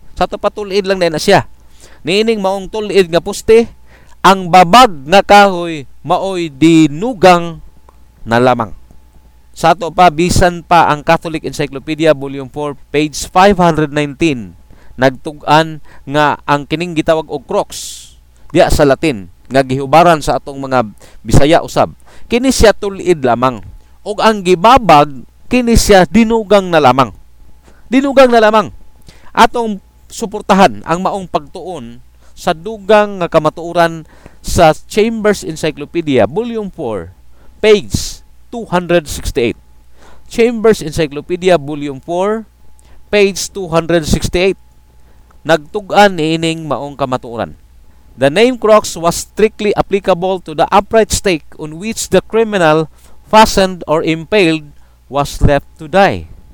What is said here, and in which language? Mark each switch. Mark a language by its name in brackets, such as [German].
[Cebuano] Sa tapatulid lang din na siya. Niining maong tulid nga puste, ang babag nga kahoy maoy dinugang na lamang. Sa ato pa, bisan pa ang Catholic Encyclopedia, Volume 4, page 519, nagtugan nga ang kining gitawag o crux, diya sa Latin, nga gihubaran sa atong mga Bisaya usab. Kini siya tulid lamang. O ang gibabag, kini siya dinugang na lamang. Dinugang na lamang. Atong suportahan ang maong pagtuon sa dugang nga kamatuoran sa Chambers Encyclopedia, Volume 4, page 268. Chambers Encyclopedia, Volume 4, page 268. Nagtugan niining maong kamatuoran. [English] The name crux was strictly applicable to the upright stake on which the criminal fastened or impaled was left to die.